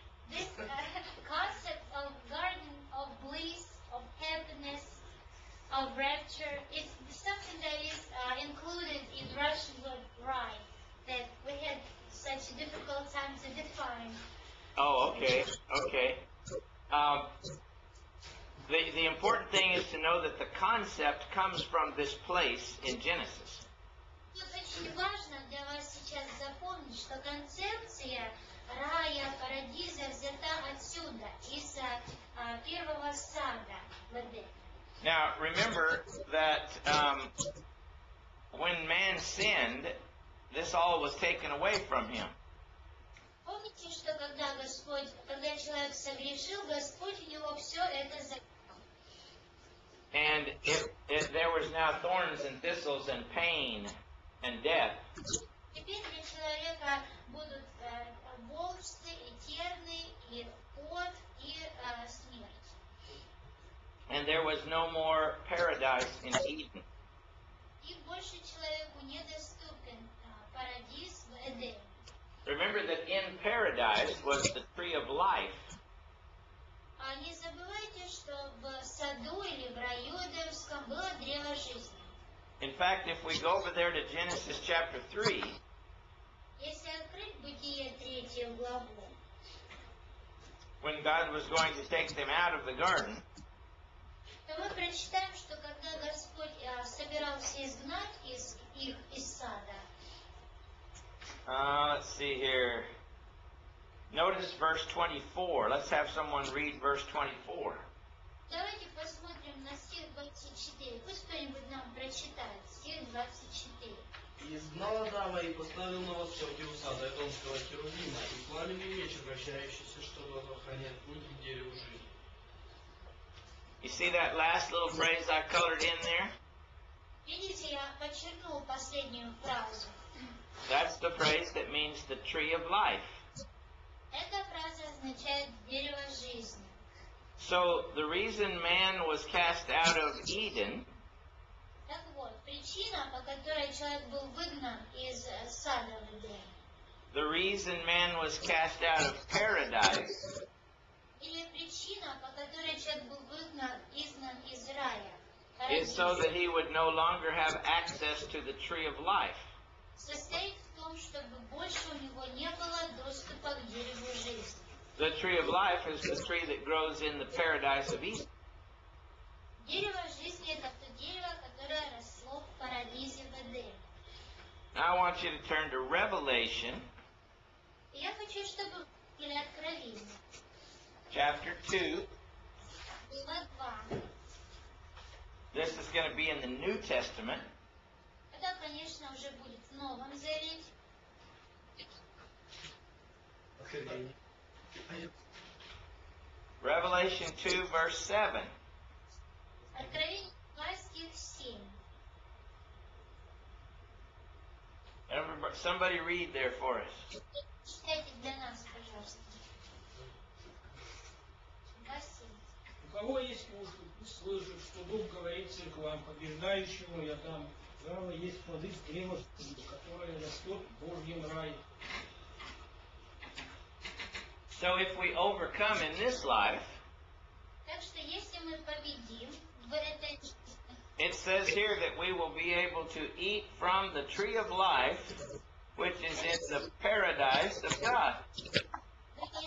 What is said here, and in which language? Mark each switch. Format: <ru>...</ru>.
<en>This concept of garden of bliss, of happiness, of rapture is something that is included in Russian word рай that we had such a difficult time to define. Oh, okay, okay. The important thing is to know that the concept comes from this place in Genesis.</en> <ru>Вот очень важно для вас сейчас запомнить, что концепция рая, парадиза взята отсюда, из первого сада.</ru> <en>Now, remember that when man sinned, this all was taken away from him.</en> <ru>Помните, что когда Господь, когда человек согрешил, Господь у него все это забрал.</ru> <en>And if there was now thorns and thistles and pain and death.</en> <ru>Теперь для человека будут волчцы и терны и пот и смерть.</ru> <en>And there was no more paradise in Eden.</en> <ru>И больше человеку недоступен парадис в Эдеме.</ru> <en>Remember that in paradise was the tree of life.</en> <ru>Не забывайте, что в саду или в раю Эдемском было древо жизни.</ru> <en>In fact, if we go over there to Genesis chapter 3,</en> <ru>если открыть Бытие третью главу,</ru> <en>when God was going to take them out of the garden,</en> <ru>то мы прочитаем, что когда Господь собирался изгнать из их из сада.</ru> <en>Let's see here. Notice verse 24. Let's have someone read verse 24.</en> <ru>Давайте посмотрим на стих 24. Пусть кто-нибудь нам прочитает стих 24. И знал Адама и поставил на востоке у сада Эдомского херувима, и пламенный меч, обращающийся, чтобы охранять путь к дереву жизни.</ru> <en>You see that last little phrase I colored in there?</en> <ru>Видите, я подчеркнул последнюю фразу.</ru> <en>That's the phrase that means the tree of life.</en> <ru>Эта фраза означает дерево жизни.</ru> <en>So the reason man was cast out of Eden.</en> <ru>Так вот, причина, по которой человек был выгнан из сада в Эдем.</ru> <en>The reason man was cast out of paradise.</en> <ru>Или причина, по которой человек был выгнан изгнан из рая.</ru> <en>Is so that he would no longer have access to the tree of life.</en> <ru>Состоит в том, чтобы больше у него не было доступа к дереву жизни.</ru> <en>The tree of life is the tree that grows in the paradise of Eden.</en> <ru>Дерево жизни это то дерево, которое росло в парадизе в Эдеме.</ru> <en>Now I want you to turn to Revelation.</en> <ru>Я хочу, чтобы вы открыли Откровение.</ru> <en>Chapter 2.</en> <ru>Глава 2.</ru> <en>This is going to be in the New Testament.</en> <ru>Это, конечно, уже будет в Новом Завете.</ru> <en>Revelation 2, verse 7.</en> <ru>Откровение 2, стих 7.</ru> <en>Everybody, somebody read there for us.</en> <ru>Читайте для нас, пожалуйста.</ru> <en>2, 7.</en> <ru>У кого есть мужик, пусть слышит, что Дух говорит церквам, побеждающему я дам. Право есть плоды с древа, которое растет в Божьем рае.</ru> <en>So if we overcome in this life, it says here that we will be able to eat from the tree of life, which is in the paradise of God.</en>